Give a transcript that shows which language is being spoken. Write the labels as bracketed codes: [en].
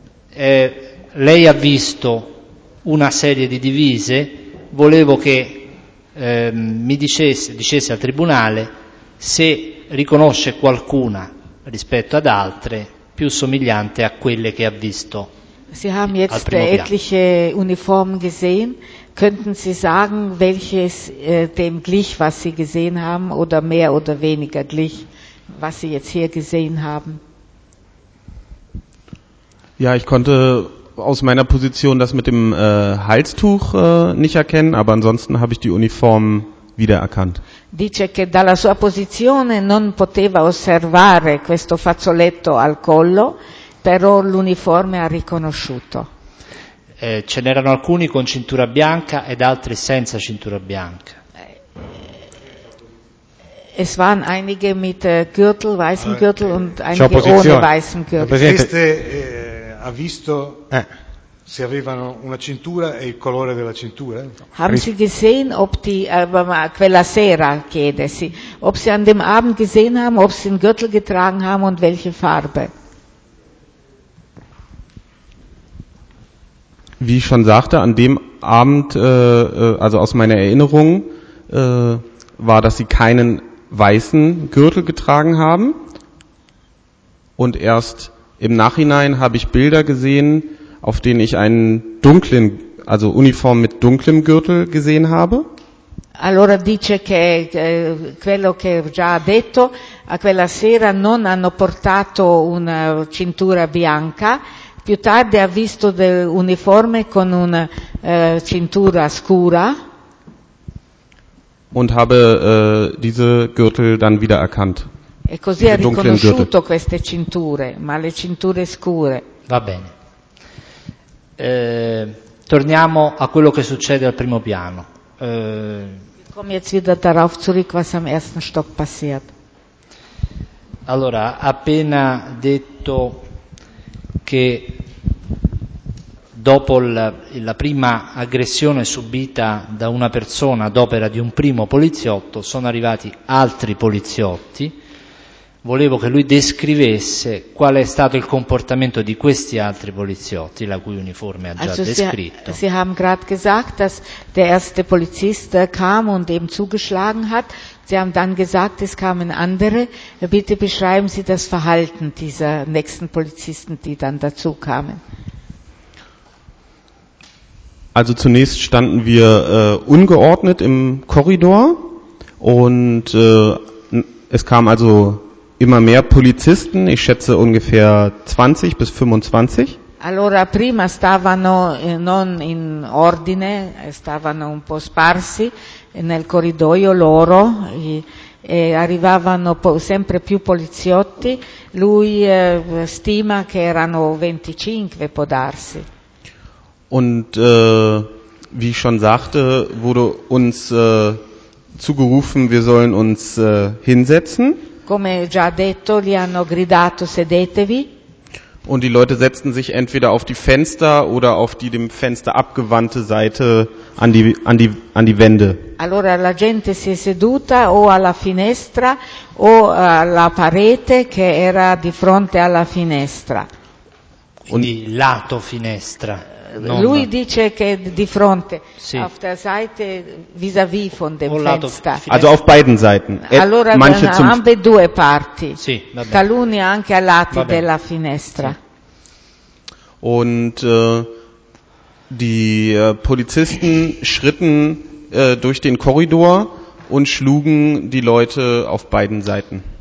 [it] Lei ha visto una serie di divise, volevo che mi dicesse al Tribunale se riconosce qualcuna rispetto ad altre più somigliante a quelle che ha visto. [de] Sie haben jetzt etliche Uniformen gesehen. Könnten Sie sagen, welches dem glich, was Sie gesehen haben, oder mehr oder weniger glich, was Sie jetzt hier gesehen haben? Ja, ich konnte aus meiner Position das mit dem Halstuch nicht erkennen, aber ansonsten habe ich die Uniformen wiedererkannt. [it] Dice che dalla sua posizione non poteva osservare questo fazzoletto al collo, però l'uniforme ha riconosciuto. Ce n'erano alcuni con cintura bianca ed altri senza cintura bianca. [de] Es waren einige mit Gürtel, weißem Gürtel und einige ohne weißem Gürtel. [it] Queste ha visto se avevano una cintura e il colore della cintura? [de] Haben Sie gesehen, ob die [it] quella sera chiede, sì, [de] ob sie an dem Abend gesehen haben, ob sie einen Gürtel getragen haben und welche Farbe? Wie ich schon sagte, an dem Abend, also aus meiner Erinnerung, war, dass sie keinen weißen Gürtel getragen haben. Und erst im Nachhinein habe ich Bilder gesehen, auf denen ich einen dunklen, also Uniform mit dunklem Gürtel gesehen habe. [it] Allora dice che quello che già ha detto, a quella sera non hanno portato una cintura bianca. Più tardi ha visto l'uniforme con una cintura scura. [de] Und habe diese Gürtel dann wiedererkannt. [it] E così ha riconosciuto queste cinture, ma le cinture scure. Va bene. Torniamo a quello che succede al primo piano. [de] Wir kommen jetzt wieder darauf zurück, was am ersten Stock passiert. [it] Allora, appena detto che dopo la prima aggressione subita da una persona ad opera di un primo poliziotto, sono arrivati altri poliziotti. Volevo che lui descrivesse qual è stato il comportamento di questi altri poliziotti, la cui uniforme ha già descritto. [de] Sie haben gerade gesagt, dass der erste Polizist kam und ihm zugeschlagen hat. Sie haben dann gesagt, es kamen andere. Bitte beschreiben Sie das Verhalten dieser nächsten Polizisten, die dann dazu kamen. Also zunächst standen wir ungeordnet im Korridor und es kam also immer mehr Polizisten, ich schätze ungefähr 20 bis 25. [it] Allora prima stavano non in ordine, stavano un po' sparsi nel corridoio loro e arrivavano sempre più poliziotti, lui stima che erano 25, può darsi. [de] Und wie ich schon sagte, wurde uns zugerufen, wir sollen uns hinsetzen. [it] Come già detto, li hanno gridato, sedetevi. [de] Und die Leute setzten sich entweder auf die Fenster oder auf die dem Fenster abgewandte Seite an die Wände. [it] Allora la gente si è seduta o alla finestra o alla parete che era di fronte alla finestra. Quindi lato finestra. Lui dice che di fronte, sì. [de] Auf der Seite vis-à-vis von dem Fenster. Also auf beiden Seiten. [it] Allora [de] manche [it] da ambe due parti. Sì, taluni anche ai lati della finestra. [de] Und die Polizisten schritten durch den Korridor und schlugen die Leute auf beiden Seiten.